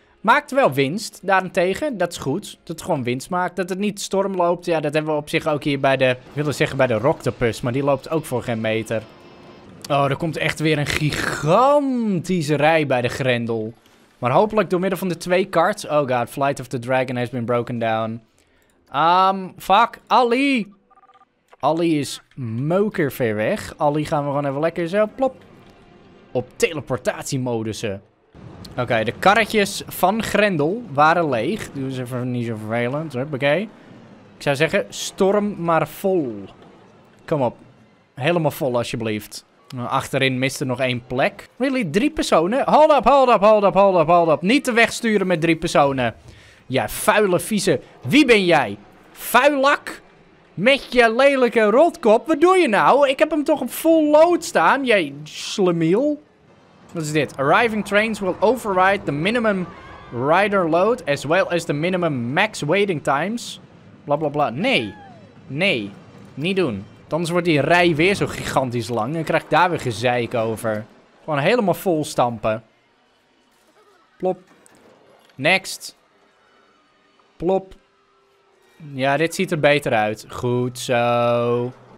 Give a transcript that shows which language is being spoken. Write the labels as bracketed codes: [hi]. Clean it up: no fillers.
[nl] Maakt wel winst, daarentegen. Dat is goed. Dat het gewoon winst maakt. Dat het niet storm loopt. Ja, dat hebben we op zich ook hier bij de... Ik wilde zeggen bij de Roctopus, maar die loopt ook voor geen meter. Oh, er komt echt weer een gigantische rij bij de grendel. Maar hopelijk door middel van de twee karts. [en] Oh god, Flight of the Dragon has been broken down. [nl] Fuck. Ali! Ali is moker ver weg. Ali gaan we gewoon even lekker zo, plop. Op teleportatiemodussen. Oké, okay, de karretjes van Grendel waren leeg. Doe eens even niet zo vervelend. Oké. Okay. Ik zou zeggen, storm maar vol. Kom op. Helemaal vol alsjeblieft. Achterin miste nog één plek. [en] Really, [nl] drie personen? [en] Hold up. [nl] Niet te wegsturen met drie personen. Ja, vuile, vieze. Wie ben jij? Vuilak? Met je lelijke rotkop? Wat doe je nou? Ik heb hem toch op full load staan? Jij slemiel. Wat is dit? [en] Arriving trains will override the minimum rider load as well as the minimum max waiting times. [nl] Bla bla bla. Nee. Nee. Niet doen. Anders wordt die rij weer zo gigantisch lang en krijg ik daar weer gezeik over. Gewoon helemaal vol stampen. Plop. Next. Plop. Ja, dit ziet er beter uit. Goed zo.